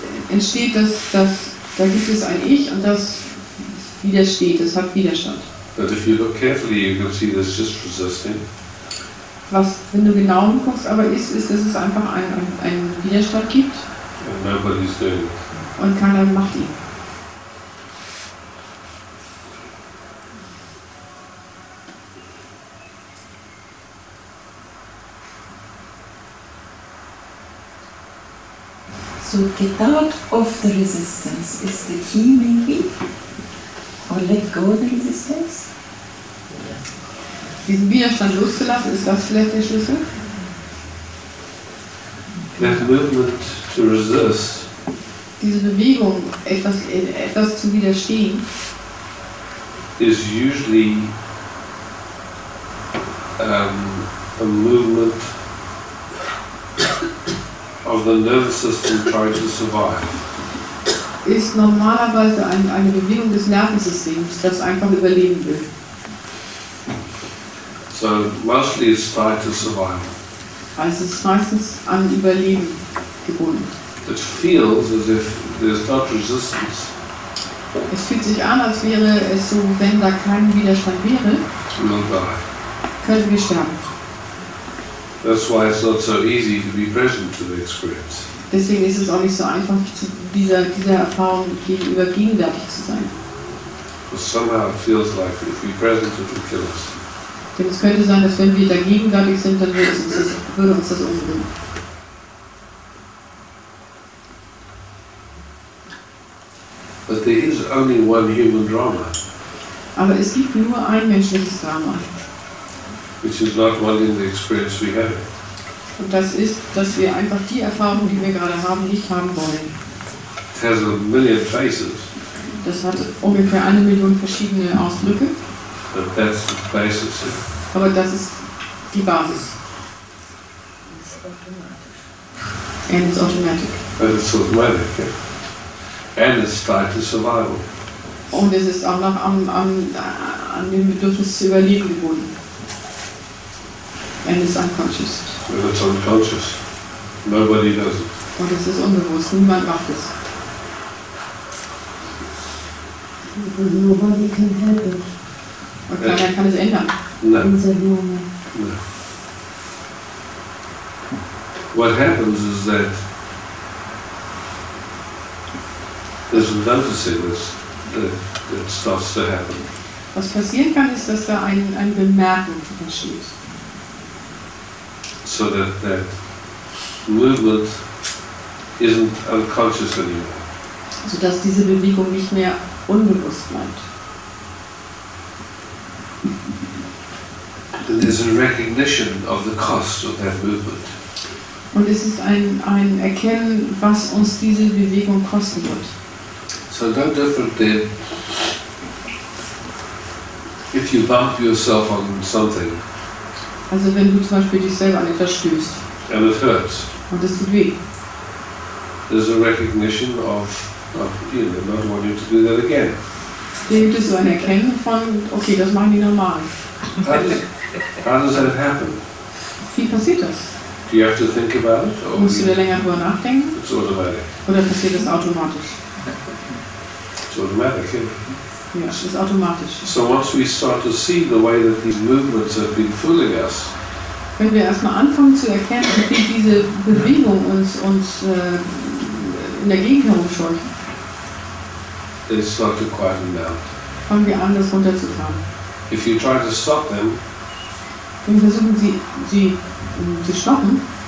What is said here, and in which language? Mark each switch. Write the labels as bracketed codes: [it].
[de] Entsteht, dass da gibt es ein Ich und das widersteht, das hat Widerstand. [en] But if you look carefully, you can see that it's just resisting. [de] Was, wenn du genau hinguckst, aber ist, dass es einfach ein Widerstand gibt. [en] And nobody's doing it. [de] Und keiner macht ihn. [en] So get out of the resistance is the key, maybe, or let go of the resistance. [de] Diesen Widerstand loszulassen, ist das vielleicht der Schlüssel? [en] That movement to resist. [de] Diese Bewegung, etwas zu widerstehen, [en] is usually a movement of the nervous system trying to survive. [de] Ist normalerweise eine Bewegung des Nervensystems, das einfach überleben will. [en] So mostly it's trying to survive. [de] Also es ist meistens an Überleben gebunden. [en] It feels as if there's not resistance. [de] Es fühlt sich an, als wäre es so, wenn da kein Widerstand wäre, könnten wir sterben. [en] That's why it's not so easy to be present to the experience. [de] Deswegen ist es auch nicht so einfach, dieser Erfahrung gegenüber gegenwärtig zu sein. [en] Because somehow it feels like if we're present, it will kill us. [de] Denn es könnte sein, dass wenn wir da gegenwärtig sind, dann würde uns das umbringen. [en] But there is only one human drama. [de] Aber es gibt nur ein menschliches Drama. [en] Which is not wanting the experience we have. [de] Und das ist, dass wir einfach die Erfahrung, die wir gerade haben, nicht haben wollen. [en] It has a million faces. [de] Das hat ungefähr 1 Million verschiedene Ausdrücke. [en] But that's the basis. [de] Aber das ist die Basis. [en] It's automatic. And it's automatic. And it's automatic, yeah. And it's tied to survival. [de] Und es ist auch noch an dem Bedürfnis zu überleben gebunden. [en] And it's unconscious. And it's unconscious. Nobody does it. [de] Und es ist unbewusst. Niemand macht es. [en] Nobody can help it. [de] Und keiner kann es ändern. Nein. [en] What happens is that there's a noticing that starts to happen. [de] Was passieren kann, ist, dass da ein Bemerken entsteht. [en] So that movement isn't unconscious anymore. [de] So dass diese Bewegung nicht mehr unbewusst meint. [en] And there's a recognition of the cost of that movement. [de] Und es ist ein Erkennen, was uns diese Bewegung kosten wird. [en] So no different than if you bump yourself on something. [de] Also wenn du zum Beispiel dich selber an etwas stößt. [en] And it hurts. [de] Und es tut weh. [en] There's a recognition of you know, not wanting to do that again. [de] Da gibt es so ein Erkennen von, okay, das machen die normal. [en] How does that happen? [de] Wie passiert das? [en] Do you have to think about it? [de] Or musst du da länger drüber nachdenken? [en] It's automatic. [de] Oder passiert das automatisch? [en] It's automatic, yeah. [de] Ja, es ist automatisch. [en] So once we start to see the way that these movements have been fooling us. [de] Wenn wir erstmal anfangen zu erkennen, wie diese Bewegung uns in der Gegend herumscheucht. [en] They start to quieten down. [de] Fangen wir an, das runterzufahren. [en] If you try to stop them. [de] Wenn wir versuchen, sie zu stoppen.